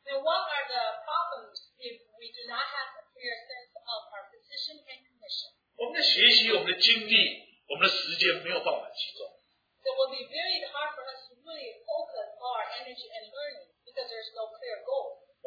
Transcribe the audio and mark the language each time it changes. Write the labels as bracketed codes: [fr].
[en] Then what are the problems if we do not have a clear sense of our position and commission? [zh] 我们的学习、我们的精力、我们的时间没有办法集中。 [en] So it will be very hard for us to really focus all our energy and learning because there's no clear goal.